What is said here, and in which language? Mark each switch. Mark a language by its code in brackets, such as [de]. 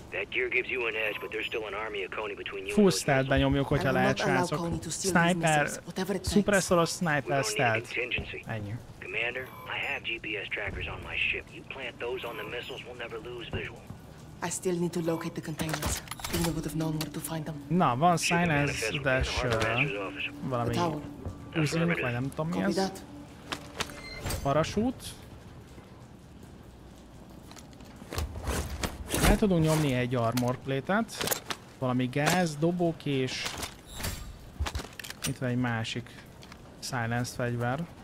[en] That gear gives you an edge, but there's still an army of Coney between you. Full stealth, [hu] benyomjuk, hogyha lehet, srácok. Sniper, szupresszoros sniper stealth. Ennyi. [en] Commander, I have GPS trackers on my ship. You plant those on the missiles, we'll never lose visual. I still need to locate the containers. You would have known where to find them. [hu] Na, van Sinez-es valami üzünk, vagy nem tudom mi ez. Parasút. El tudunk nyomni egy armor plate-et, valami gáz, dobok és itt van egy másik silenced fegyver.